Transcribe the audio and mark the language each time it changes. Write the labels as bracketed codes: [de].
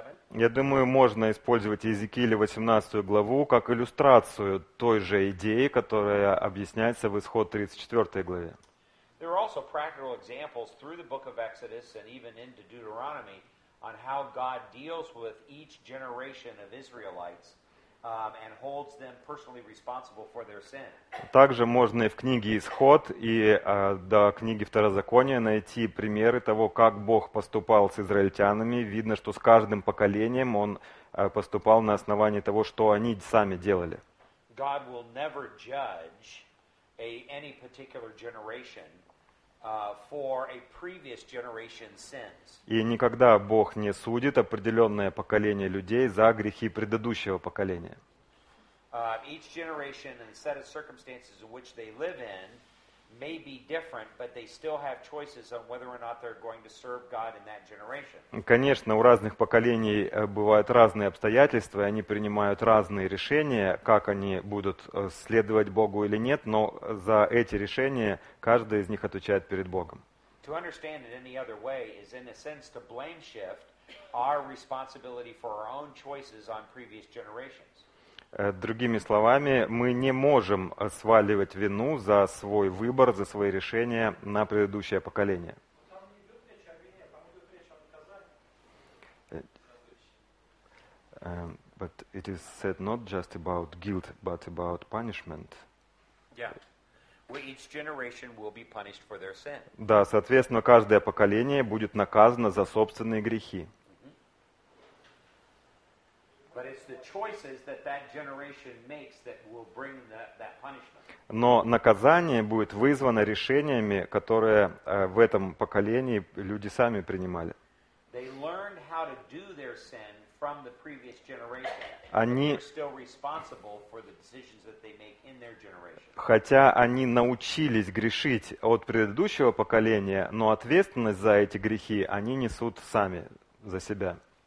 [ru] Я думаю, можно использовать Иезекииле 18 главу как иллюстрацию той же идеи, которая объясняется в Исход 34 главе. [en] There are also practical examples through the book of Exodus and even into Deuteronomy on how God deals with each generation of Israelites. And holds them personally responsible for their sin. [ru] Также можно и в книге Исход, и до книги Второзакония найти примеры того, как Бог поступал с израильтянами. Видно, что с каждым поколением Он поступал на основании того, что они сами делали. [en] God will never judge any particular generation for a previous generation's sins. [ru] И никогда Бог не судит определенное поколение людей за грехи предыдущего поколения. [en] Each generation and set of circumstances in which they live in may be different, but they still have choices on whether or not they're going to serve God in that generation. [ru] Конечно, у разных поколений бывают разные обстоятельства, и они принимают разные решения, как они будут следовать Богу или нет, но за эти решения каждый из них отвечает перед Богом. [en] To understand it any other way is in a sense to blame shift our responsibility for our own choices on previous generations. [ru] Другими словами, мы не можем сваливать вину за свой выбор, за свои решения на предыдущее поколение. [en] But it is said not just about guilt, but about punishment. Yeah. Each generation will be punished for their sin. [ru] Да, соответственно, каждое поколение будет наказано за собственные грехи. [en] But it's the choices that generation makes that will bring that punishment. [ru] Но наказание будет вызвано решениями, которые в этом поколении люди сами принимали. [en] They learned how to do their sin from the previous generation. [ru] Они [en] still responsible for the decisions that they make in their generation. [ru] Хотя они научились грешить от предыдущего поколения, но ответственность за эти грехи они несут сами за себя.